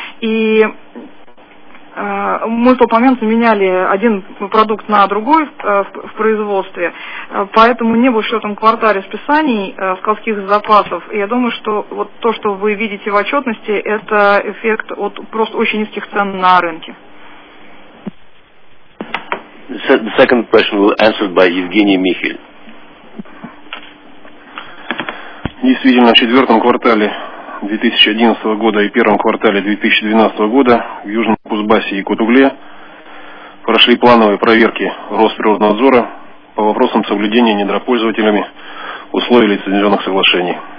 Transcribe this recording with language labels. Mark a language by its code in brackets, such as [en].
[ru] И мы в тот момент заменяли один продукт на другой в производстве. Поэтому не было в четвертом квартале списаний складских запасов. И я думаю, что вот то, что вы видите в отчетности, это эффект от просто очень низких цен на рынке. [en] The second question will be answered by Evgeny Mikhail. [ru] Действительно, в четвертом квартале 2011 года и первом квартале 2012 года в Южном Кузбассе и Якутугле прошли плановые проверки Росприроднадзора по вопросам соблюдения недропользователями условий лицензионных соглашений.